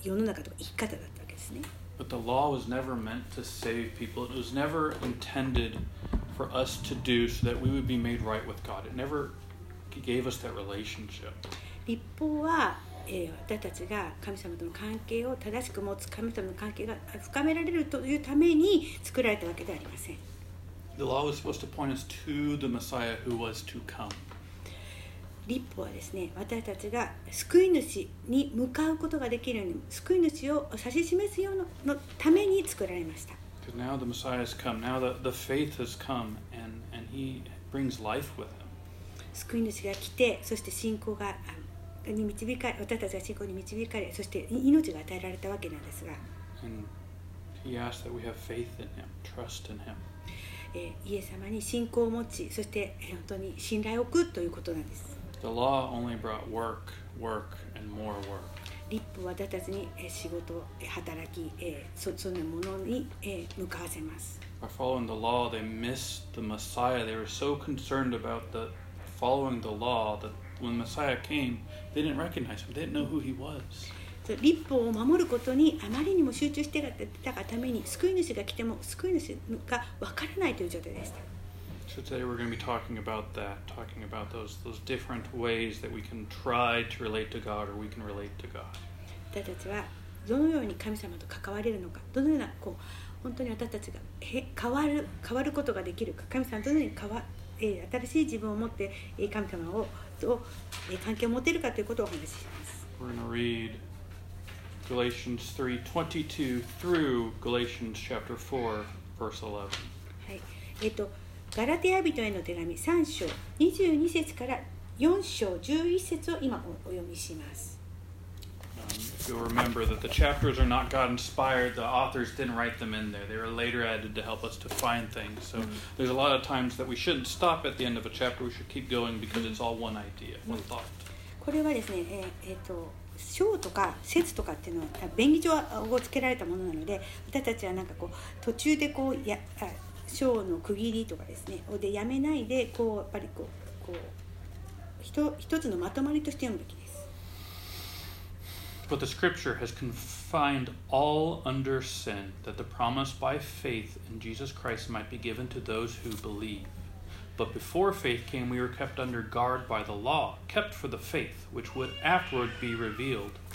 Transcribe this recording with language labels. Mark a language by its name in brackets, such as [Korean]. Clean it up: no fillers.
[Japanese] まあ、モーセのあの10回、モーセのいろんな戒律が神様から与えられましたが、そこからですね、そこでこう培われてきたものが、まあ、彼らにとってはそれが、まあ、世の中とか生き方だったわけですね。 [English] But the law was never meant to save people. It was never intended for us to do so that we would be made right with God. It never gave us that relationship. [Japanese] 律法は 私たちが神様との関係を正しく持つ、神様との関係が深められるというために作られたわけではありません。 [English] The law was supposed to point us to the Messiah who was to come. [Japanese] 律法はですね、私たちが救い主に向かうことができるように、救い主を指し示すようなためにために作られました。 [English] Because now the Messiah has come. Now the faith has come, and he brings life with him. [Japanese] 救い主が来て、そして信仰が私たちが信仰に導かれ、そして命が与えられたわけなんですが。 [English] And he asked that we have faith in him, trust in him. [Japanese] イエス様に信仰を持ち、そして本当に信頼を置くということなんです。 [English] The law only brought work, work, and more work. [Japanese] 立法は私たちに仕事、働き、そのものに向かわせます。 [English] By following the law, they missed the Messiah. They were so concerned about the following the law that when Messiah came, they didn't recognize him. They didn't know who he was. [Japanese] 立法を守ることにあまりにも集中していたがために救い主が来ても救い主が分からないという状態でした。 [English] So today we're going to be talking about that, talking about those different ways that we can try to relate to God or we can relate to God. [Japanese] 私たちはどのように神様と関われるのか、どのようなこう本当に私たちが変わることができるか、神様とどのように新しい自分を持って神様と関係を持てるかということをお話しします。 [English] We're going to readGalatians 3:22 through Galatians chapter 4, verse 11. [Japanese] はい。ガラテヤ人への手紙3章22節から4章11節を今お読みします。 [English] If you'll remember that the chapters are not God-inspired, the authors didn't write them in there. They were later added to help us to find things. So there's a lot of times that we shouldn't stop at the end of a chapter. We should keep going because it's all one idea, one thought. [Japanese] これはですね、章とか節とかっていうのは便宜上をつけられたものなので、私たちはなんかこう途中でこうや章の区切りとかですねをでやめないでこうやっぱりこう一つのまとまりとして読むべきです。 [English] But the Scripture has confined all under sin, that the promise by faith in Jesus Christ might be given to those who believe. But before faith came, we were kept under guard by the law, kept for the faith, which would afterward be revealed.